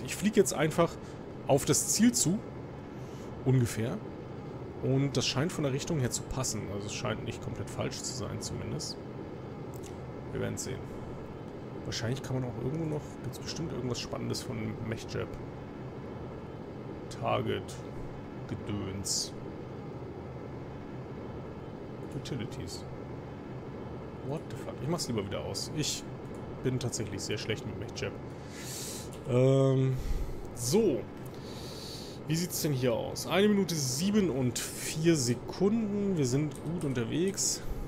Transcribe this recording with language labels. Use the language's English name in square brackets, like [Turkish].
[German] Ich fliege jetzt einfach auf das Ziel zu, ungefähr, und das scheint von der Richtung her zu passen. Also es scheint nicht komplett falsch zu sein, zumindest. Wir werden es sehen. Wahrscheinlich kann man auch irgendwo noch, gibt es bestimmt irgendwas Spannendes von MechJab. Target, Gedöns, Utilities. [English] What the fuck? [German] Ich mach's lieber wieder aus. Ich bin tatsächlich sehr schlecht mit MechJab. So. Wie sieht es denn hier aus? 1 Minute 7 und 4 Sekunden. Wir sind gut unterwegs.